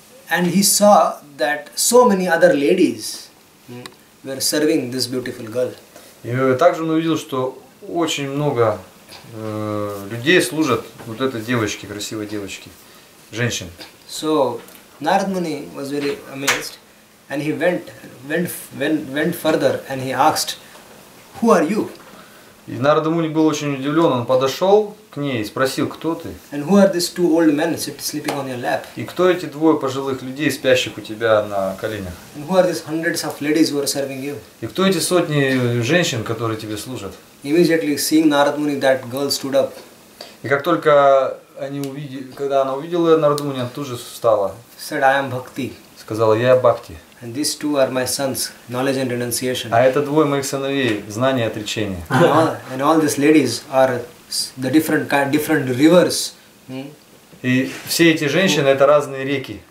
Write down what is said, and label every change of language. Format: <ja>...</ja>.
<en>And he saw that so many other ladies were serving this beautiful girl.</en> <ru>И также он увидел, что очень много людей служат вот этой девочке, красивой девочке, женщин.</ru> <en>So Narad Muni was very amazed, and he went further, and he asked, "Who are you?"</en> <ru>И Narad Muni был очень удивлен. Он подошел к ней и спросил, кто ты?</ru> <en>And who are these two old men sleeping on your lap?</en> <ru>И кто эти двое пожилых людей, спящих у тебя на коленях?</ru> <en>And who are these hundreds of ladies who are serving you?</en> <ru>И кто эти сотни женщин, которые тебе служат?</ru> <en>Immediately seeing Narad Muni, that girl stood up.</en> <ru>И как только они увидели, когда она увидела Narad Muni, она тут же встала.</ru> <en>Said, I am Bhakti.</en> <ru>Сказала, я Бхакти.</ru> <en>And these two are my sons, knowledge and renunciation.</en> <ru>А это двое моих сыновей, знание и отречение.</ru> <en>And all these ladies are the different rivers.</en> <ru>И все эти женщины — это разные реки.</ru>